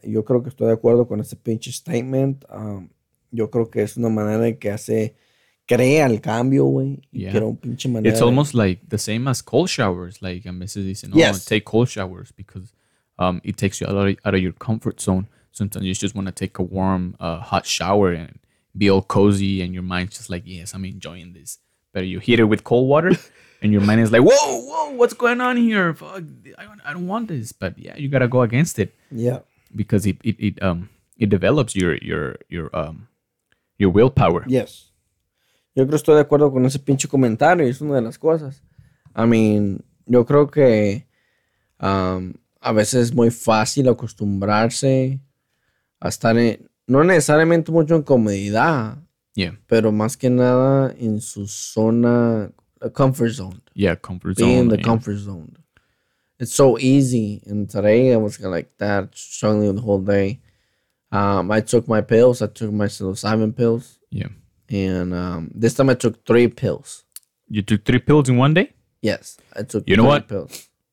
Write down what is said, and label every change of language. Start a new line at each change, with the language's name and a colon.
Spanish: Yo creo que estoy de acuerdo con ese pinche statement. Yo creo que es una manera que hace crea el cambio, güey.
English: Yeah.
Spanish: Quiero un pinche manera.
English: It's almost like the same as cold showers. Like
Spanish: a veces dicen,
English: take cold showers because it takes you out of your comfort zone. Sometimes you just want to take a warm, hot shower and be all cozy and your mind's just like, yes, I'm enjoying this. But you hit it with cold water and your mind is like, whoa, what's going on here? Fuck, I don't want this. But yeah, you got to go against it. Yeah. Because it develops your willpower. Yes.
Spanish: Yo creo que estoy de acuerdo con ese pinche comentario. Es una de las cosas.
English: I mean,
Spanish: yo creo que a veces es muy fácil acostumbrarse a estar en, no necesariamente mucho en comodidad, pero más que nada en su zona,
English: a comfort zone. Yeah, comfort zone. Being in the comfort zone. It's so easy. And today I was like that, struggling the whole day. I took my pills. I took my psilocybin pills. Yeah. And this time I took 3 pills. You took 3 pills in one day? Yes. I took you 3 know what? Pills.